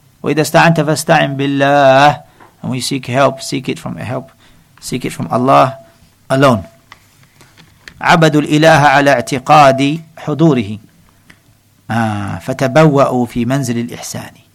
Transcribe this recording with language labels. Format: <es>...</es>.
<ar>وإذا استعنت فاستعن بالله.</ar> <en>And when you seek help, seek it from help, seek it from Allah alone.</en> <ar>عبد الإله على اعتقاد حضوره. فتبوأوا في منزل الإحسان.</ar>